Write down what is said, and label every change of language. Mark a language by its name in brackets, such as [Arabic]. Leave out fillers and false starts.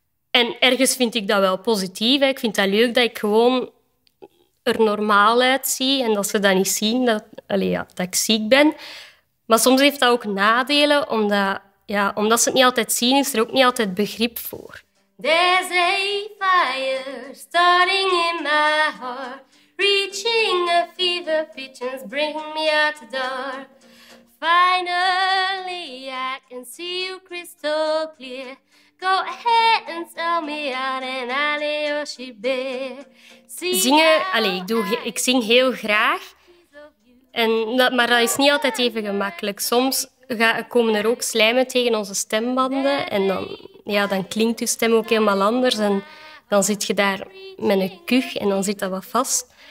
[Dutch] En ergens vind ik dat wel positief. Hè. Ik vind dat leuk dat ik gewoon er normaal uitzie en dat ze dat niet zien, dat ik ziek ben. Maar soms heeft dat ook nadelen, omdat Ja, omdat ze het niet altijd zien, is er ook niet altijd begrip voor. [English] There's a fire starting in my heart, reaching a fever pitch and bring me out the door. Finally I can see you crystal clear. Go ahead and tell me out and I'll lay your ship bare. [Dutch] Zingen, allez, ik zing heel graag. Maar dat is niet altijd even gemakkelijk. Soms komen er ook slijmen tegen onze stembanden. En dan, ja, dan klinkt je stem ook helemaal anders. En dan zit je daar met een kuch en dan zit dat wat vast.